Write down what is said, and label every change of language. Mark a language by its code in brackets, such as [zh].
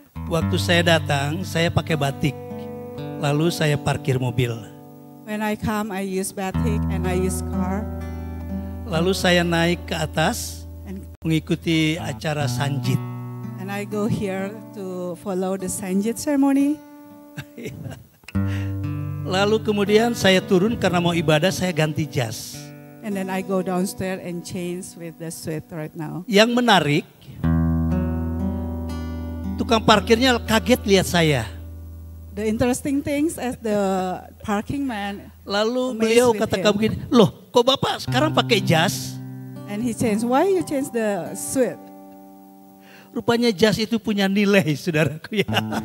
[id] Waktu saya datang, saya pakai batik. Lalu saya parkir mobil. [en] When I come, I use batik and I use car. [id] Lalu saya naik ke atas and mengikuti acara Sanjit. [en] And I go here to follow the Sanjit ceremony. [id] Lalu kemudian saya turun karena mau ibadah, saya ganti jas. [en] And then I go downstairs and change with the suit right now. [id] Yang menarik, tukang parkirnya kaget lihat saya. [en] The interesting things as the parking man. [id] Lalu beliau katakan begini, loh kok bapak sekarang pakai jas? [en] And he changed, why you change the suit? [id] Rupanya jas itu punya nilai, saudaraku ya.